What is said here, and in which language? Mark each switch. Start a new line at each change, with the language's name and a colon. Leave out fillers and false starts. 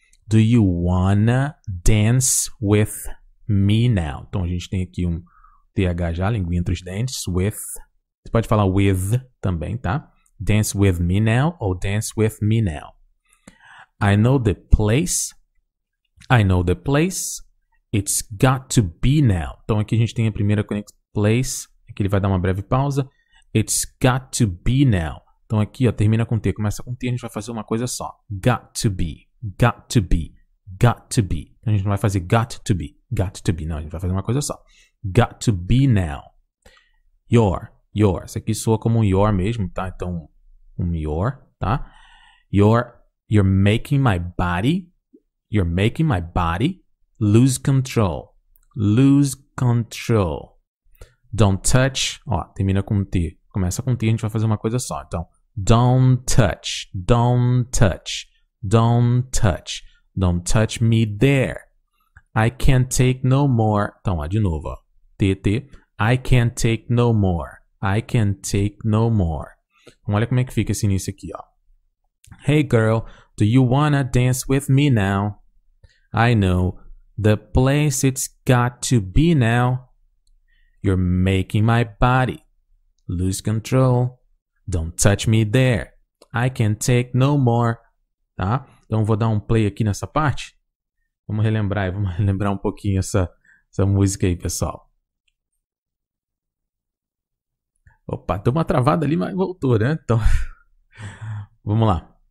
English: Do you wanna dance with me now?
Portuguese: Então a gente tem aqui um TH já, língua entre os dentes, with. Você pode falar with também, tá?
English: Dance with me now ou dance with me now. I know the place. I know the place. It's got to be now.
Portuguese: Então aqui a gente tem a primeira conexão. Place. Aqui ele vai dar uma breve pausa.
English: It's got to be now.
Portuguese: Então aqui, ó, termina com T, começa com T, a gente vai fazer uma coisa só.
English: Got to be. Got to be. Got to be.
Portuguese: Então a gente não vai fazer
English: got to be. Got to be.
Portuguese: Não, a gente vai fazer uma coisa só.
English: Got to be now.
Portuguese: Your. Isso aqui soa como um your mesmo, tá? Então, um
English: your, tá? You're making my body. You're making my body lose control. Lose control. Don't touch.
Portuguese: Ó, termina com T. Começa com T, a gente vai fazer uma coisa só. Então,
English: don't touch. Don't touch. Don't touch. Don't touch me there. I can't take no more.
Portuguese: Então, ó, de novo, ó.
English: TT, I can't take no more. I can't take no more.
Portuguese: Então, olha como é que fica esse início aqui, ó.
English: Hey girl, do you wanna dance with me now? I know the place it's got to be now. You're making my body lose control. Don't touch me there. I can't take no more. Tá?
Portuguese: Então, vou dar um play aqui nessa parte. Vamos relembrar um pouquinho essa música aí, pessoal. Opa, deu uma travada ali, mas voltou, né? Então, vamos lá.